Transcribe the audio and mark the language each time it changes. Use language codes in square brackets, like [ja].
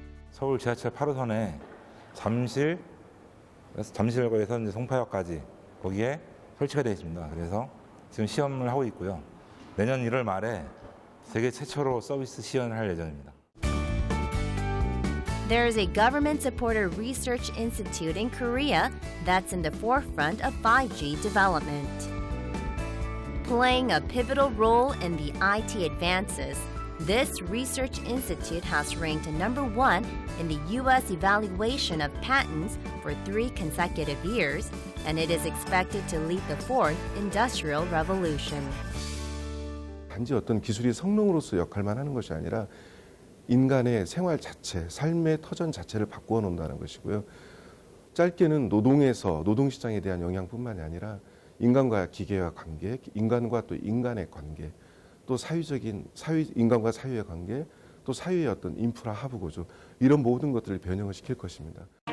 [ko] 서울 지하철 8호선에 잠실 그래서 잠실역에서 이제 송파역까지 거기에 설치가 되어 있습니다. 그래서 지금 시험을 하고 있고요. 내년 1월 말에 세계 최초로 서비스 시연을 할 예정입니다. [en] There is a government-supported research institute in Korea that's in the forefront of 5G development. Playing a pivotal role in the IT advances, this research institute has ranked number one in the U.S. evaluation of patents for three consecutive years, and it is expected to lead the fourth industrial revolution. [ko] 단지 어떤 기술이 성능으로서 역할만 하는 것이 아니라 인간의 생활 자체, 삶의 터전 자체를 바꾸어 놓는다는 것이고요. 짧게는 노동에서 노동 시장에 대한 영향뿐만이 아니라 인간과 기계와 관계, 인간과 또 인간의 관계, 또 사회적인 사회 인간과 사회의 관계, 또 사회의 어떤 인프라 하부 구조 이런 모든 것들을 변형을 시킬 것입니다.